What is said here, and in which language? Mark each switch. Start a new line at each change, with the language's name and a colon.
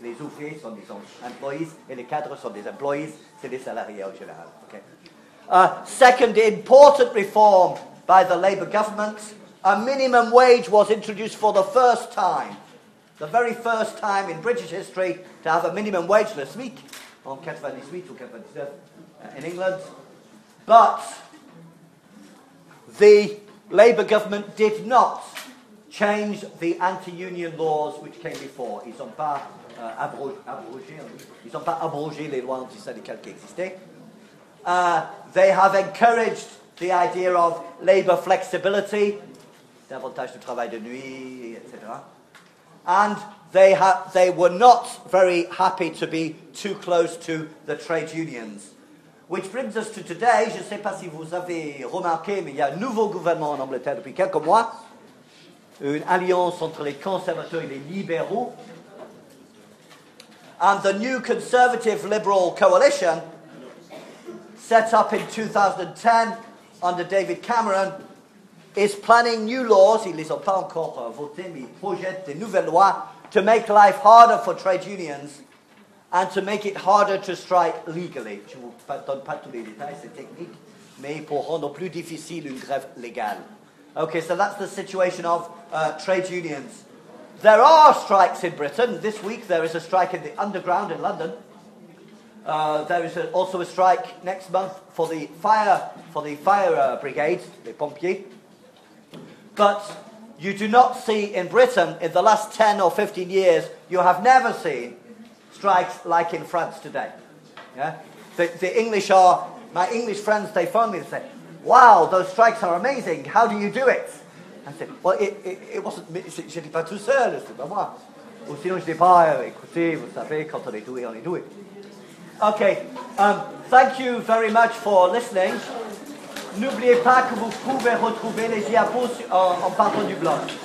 French: Les ouvriers sont des employés et les cadres sont des employés. C'est les salariés en général. Okay.
English: Second important reform by the Labour government, a minimum wage was introduced for the first time. The very first time in British history to have a minimum wage, le SMIC,
French: en 98 ou 99,
English: in England. But the Labour government did not change the anti-union laws which came before.
French: Ils n'ont pas abrogé les lois antisyndicales qui existaient.
English: They have encouraged the idea of labour flexibility,
French: davantage de travail de nuit, etc.
English: And they were not very happy to be too close to the trade unions. Which brings us to today.
French: Je ne sais pas si vous avez remarqué, mais il y a un nouveau gouvernement en Angleterre depuis quelques mois. Une alliance entre les conservateurs et les libéraux.
English: and the new Conservative Liberal Coalition set up in 2010 under David Cameron is planning new laws.
French: Il les a pas encore votés, mais il projette des nouvelles lois
English: to make life harder for trade unions and to make it harder to strike legally.
French: Je vous donne pas tous les détails, c'est technique, mais pour rendre plus difficile une grève légale. Okay, so that's the situation of trade unions. There are strikes in Britain. This week there is a strike in the Underground in London. There is also a strike next month for the fire brigade, les pompiers. But you do not see in Britain, in the last 10 or 15 years, you have never seen strikes like in France today. Yeah, the English are, my English friends, they phone me and say, wow, those strikes are amazing, how do you do it?
English: I said, well, it wasn't,
French: je n'ai pas tout seul, c'est pas moi. Ou sinon je n'ai pas, écoutez, vous savez, quand on est doué, on est doué.
English: Okay, thank you very much for listening.
French: N'oubliez pas que vous pouvez retrouver les diapos en partant du blog.